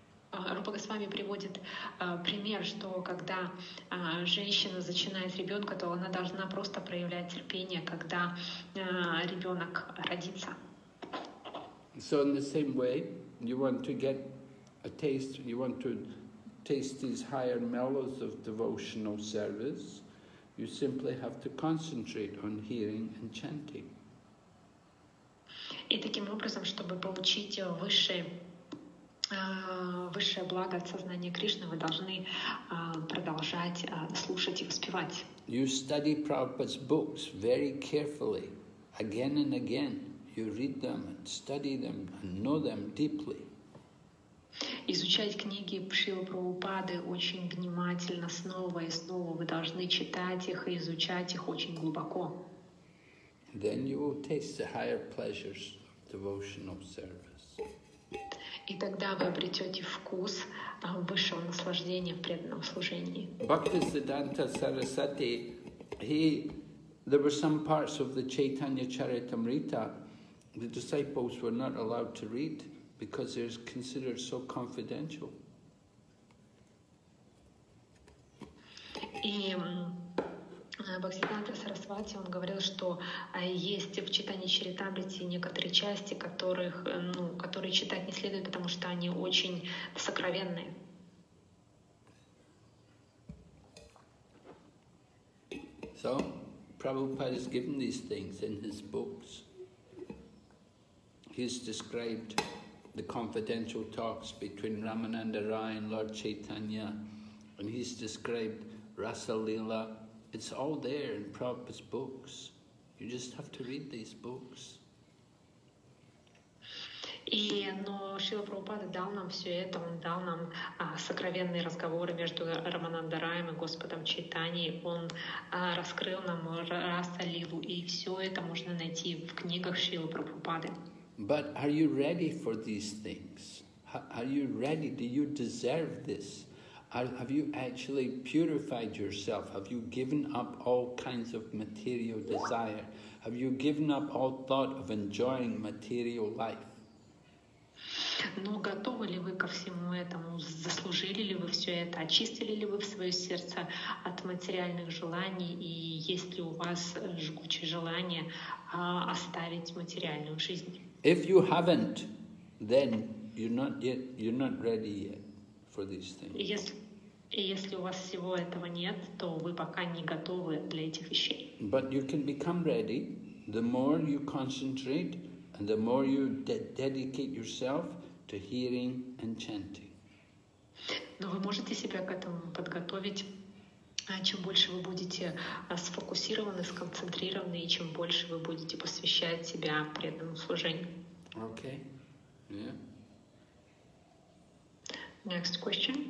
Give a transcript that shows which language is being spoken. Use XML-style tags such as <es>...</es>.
<ru>Рупа Госвами приводит пример, что когда женщина зачинает ребенка, то она должна просто проявлять терпение, когда ребенок родится.</ru> <en>So in the same way, you want to get a taste, you want to taste these higher mellows of devotional service, you simply have to concentrate on hearing and chanting.</en> <ru>И таким образом, чтобы получить высшее благо от сознания Кришны, вы должны продолжать слушать и воспевать.</ru> <en>You study Prabhupada's books very carefully, again and again. You read them and study them and know them deeply.</en> <ru>Изучать книги Шрилы Прабхупады очень внимательно, снова и снова. Вы должны читать их и изучать их очень глубоко.</ru> <en>Then you will taste the higher pleasures of devotional service.</en> <ru>И тогда вы обретете вкус высшего наслаждения в преданном служении.</ru> <en>Bhaktisiddhanta Sarasvati, there were some parts of the Chaitanya Charitamrita the disciples were not allowed to read because it was considered so confidential.</en> <ru>И Бхактисиддханта Сарасвати, он говорил, что есть в читании Чаритамриты некоторые части, которых, ну, которые читать не следует, потому что они очень сокровенные.</ru> <en>So, Prabhupada has given these things in his books. He's described the confidential talks between Ramananda Rai and Lord Chaitanya, and he's described Rasa Lila. It's all there in Prabhupada's books. You just have to read these books.</en> <ru>И, но Шрила Прабхупада дал нам все это. Он дал нам сокровенные разговоры между Рамананда Раем и Господом Чайтаньей. Он раскрыл нам Раса Лилу. И все это можно найти в книгах Шрилы Прабхупады.</ru> <en>But are you ready for these things? Are you ready? Do you deserve this? Have you actually purified yourself? Have you given up all kinds of material desire? Have you given up all thought of enjoying material life?</en> <ru>Но готовы ли вы ко всему этому? Заслужили ли вы все это? Очистили ли вы свое сердце от материальных желаний? И есть ли у вас жгучее желание оставить материальную жизнь?</ru> <en>If you haven't, then you're not ready yet for these things.</en> <ru>Если у вас всего этого нет, то вы пока не готовы для этих вещей.</ru> <en>But you can become ready the more you concentrate and the more you dedicate yourself to hearing and chanting.</en> <ru>Но вы можете себя к этому подготовить, чем больше вы будете сфокусированы, сконцентрированы, и чем больше вы будете посвящать себя преданному служению.</ru> <en>Okay. Yeah. Next question.</en>